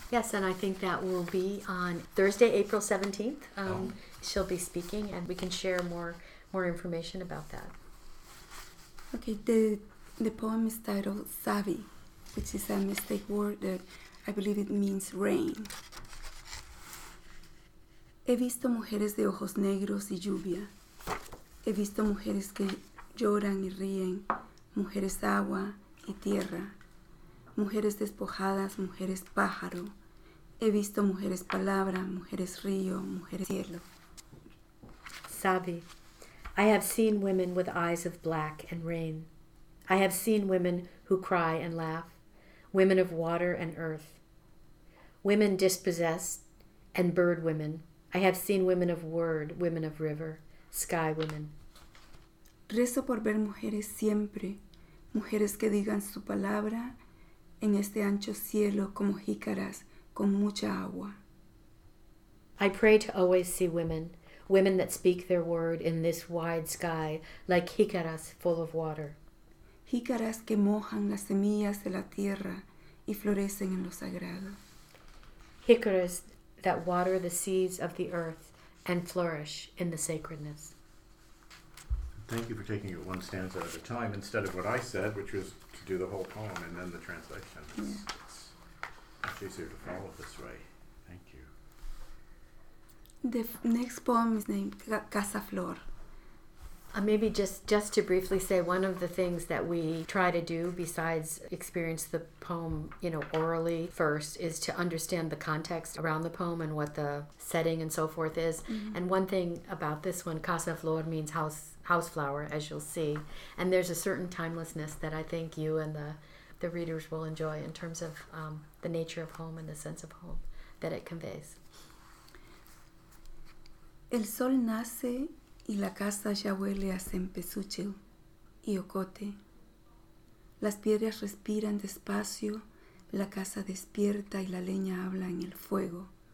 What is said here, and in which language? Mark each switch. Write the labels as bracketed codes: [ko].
[en] Yes, and I think that will be on Thursday, April 17th. She'll be speaking, and we can share more information about that. Okay, the poem is titled Savi, which is a mistake word that I believe it means rain. [es] He visto mujeres de ojos negros y lluvia. He visto mujeres que lloran y ríen. Mujeres agua y tierra, mujeres despojadas, mujeres pájaro. He visto mujeres palabra, mujeres río, mujeres cielo. [en] Sabi, I have seen women with eyes of black and rain. I have seen women who cry and laugh, women of water and earth. Women dispossessed and bird women. I have seen women of word, women of river, sky women. [es] Rezo por ver mujeres siempre. Mujeres que digan su palabra en este ancho cielo como jícaras con mucha agua. [en] I pray to always see women, women that speak their word in this wide sky like jícaras full of water. [es] Jícaras que mojan las semillas de la tierra y florecen en lo sagrado. [en] Jícaras that water the seeds of the earth and flourish in the sacredness. Thank you for taking it one stanza at a time instead of what I said, which was to do the whole poem and then the translation. It's easier to follow this way. Thank you. The next poem is named Casa Flor. Maybe just to briefly say, one of the things that we try to do besides experience the poem, you know, orally first, is to understand the context around the poem and what the setting and so forth is. Mm-hmm. And one thing about this one, Casa Flor means house flower, as you'll see. And there's a certain timelessness that I think you and the readers will enjoy in terms of the nature of home and the sense of home. that it conveys. [es] El sol nace y la casa ya huele a cempasúchil y ocote. Las piedras respiran despacio, la casa despierta y la leña habla en el fuego.